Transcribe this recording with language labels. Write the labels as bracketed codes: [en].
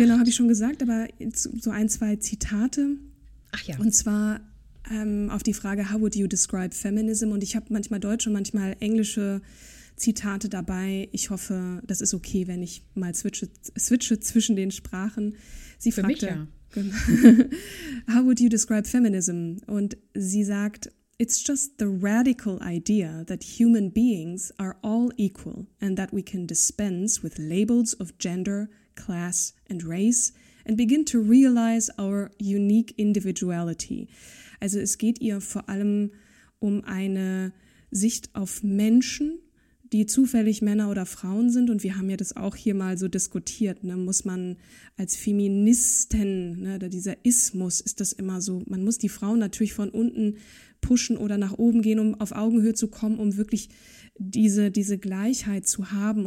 [de] Genau, habe ich schon gesagt, aber so ein, zwei Zitate. Ach ja. Und zwar auf die Frage, [en] how would you describe feminism? [de] Und ich habe manchmal deutsche, manchmal englische Zitate dabei. Ich hoffe, das ist okay, wenn ich mal switche zwischen den Sprachen. Sie Für fragte, mich, ja. [en] How would you describe feminism? [de] Und sie sagt, [en] it's just the radical idea that human beings are all equal and that we can dispense with labels of gender, class and race and begin to realize our unique individuality. [de] Also es geht ihr vor allem um eine Sicht auf Menschen, die zufällig Männer oder Frauen sind. Und wir haben ja das auch hier mal so diskutiert. Ne? Muss man als Feministin, ne, oder dieser Ismus, ist das immer so, man muss die Frauen natürlich von unten pushen oder nach oben gehen, um auf Augenhöhe zu kommen, um wirklich diese Gleichheit zu haben.